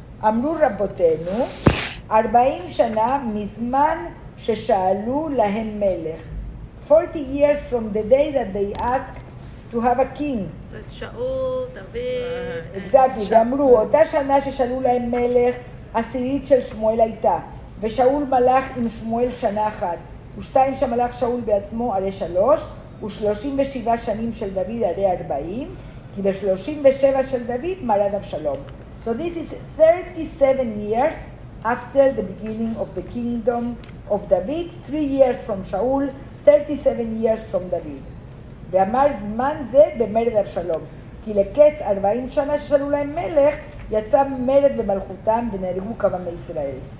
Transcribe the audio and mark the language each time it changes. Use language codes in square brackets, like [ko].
[he] אמרו רבותינו, 40 שנה מזמן ששאלו להן מלך. [en] 40 years from the day that they asked to have a king. So it's Shaul, David. Exactly. [he] ואמרו, אותה שנה ששאלו להם מלך, עשירית של שמואל הייתה. ושאול מלך עם שמואל שנה אחת. ושתיים שמלך שאול בעצמו, הרי שלוש. ו37 שנים של דוד, הרי 40. כי ב37 של דוד, מרד אבשלום. [en] So this is 37 years after the beginning of the kingdom of David, 3 years from Shaul, 37 years from David. [he] ואמר זמן זה במרד אבשלום, כי לקץ 40 שנה ששאלו להם מלך, יצא מרד במלכותם ונהרגו כבם ישראל.